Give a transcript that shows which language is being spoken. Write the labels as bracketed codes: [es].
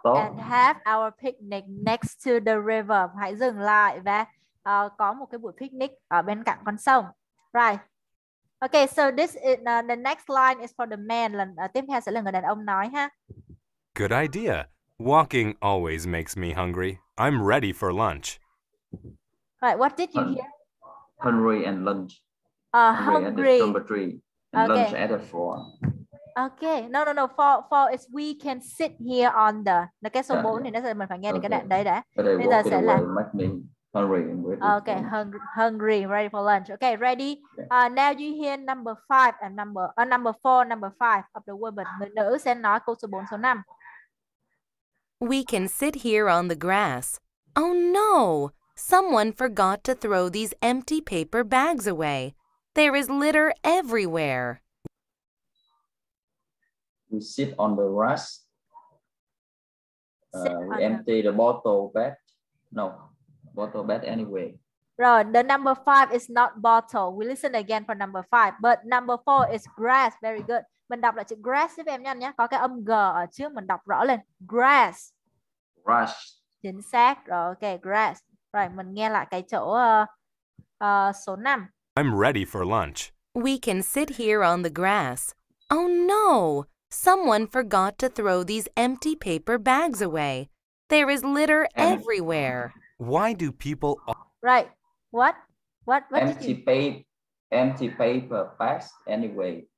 [en] and have our picnic next to the river. [vi] Hãy dừng lại và có một cái buổi picnic ở bên cạnh con sông. [en] Right. Okay, so this is, the next line is for the man. [vi] Tiếp theo sẽ là người đàn ông nói ha. [en] Good idea. Walking always makes me hungry. I'm ready for lunch. Right, what did you hear? Hungry and lunch. Hungry. Number 3. And okay. Lunch at a 4. Okay, no, four is we can sit here on the. [vi] Cái số 4 thì nó sẽ mình phải nghe được cái đoạn đấy đã. Bây giờ sẽ là hungry. [en] Okay, hungry, ready for lunch. Okay, ready. Yeah. Now you hear number 5 and number 4, number 5 of the woman. [vi] Người nữ sẽ nói câu số 4, số 5. [en] We can sit here on the grass. Oh no, someone forgot to throw these empty paper bags away. There is litter everywhere. We sit on the grass. We empty the bottle bag. No, bottle bag anyway. Right, the number 5 is not bottle. We listen again for number 5. But number 4 is grass. Very good. [vi] Mình đọc lại chữ grass với em nhanh nhé. Có cái âm G ở trước, mình đọc rõ lên. [en] Grass. Grass. [vi] Chính xác. Rồi, okay, grass. Right, mình nghe lại cái chỗ số 5. [en] I'm ready for lunch. We can sit here on the grass. Oh no! Someone forgot to throw these empty paper bags away. There is litter everywhere. Why do people... Right. What empty did you... Empty paper bags anyway.